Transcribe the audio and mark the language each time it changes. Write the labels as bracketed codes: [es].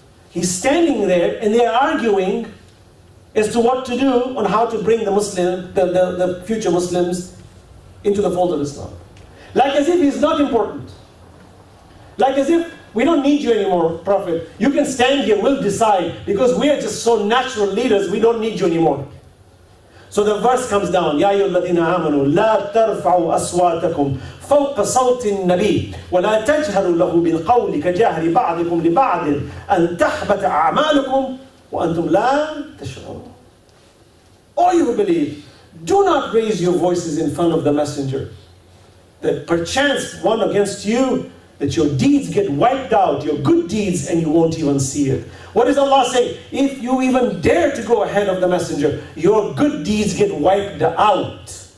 [en] He's standing there and they're arguing as to what to do on how to bring the Muslim, the future Muslims into the fold of Islam. Like as if he's not important. Like as if we don't need you anymore, Prophet. You can stand here, we'll decide, because we are just so natural leaders, we don't need you anymore. So the verse comes down, [ar] يَا أَيُّهَا الَّذِينَ آمَنُوا لَا تَرْفَعُوا أَصْوَاتَكُمْ فَوْقَ صَوْتِ النَّبِيِّ وَلَا تَجْهَرُوا لَهُ بِالْقَوْلِ كَجَهْرِ بَعْضِكُمْ لِبَعْضٍ أَنْ تَحْبَتَ أَعْمَالُكُمْ وَأَنْتُمْ لَا تَشْعُرُونَ. [en] All you who believe, do not raise your voices in front of the messenger, that perchance one against you, that your deeds get wiped out, your good deeds, and you won't even see it. What does Allah say? If you even dare to go ahead of the messenger, your good deeds get wiped out.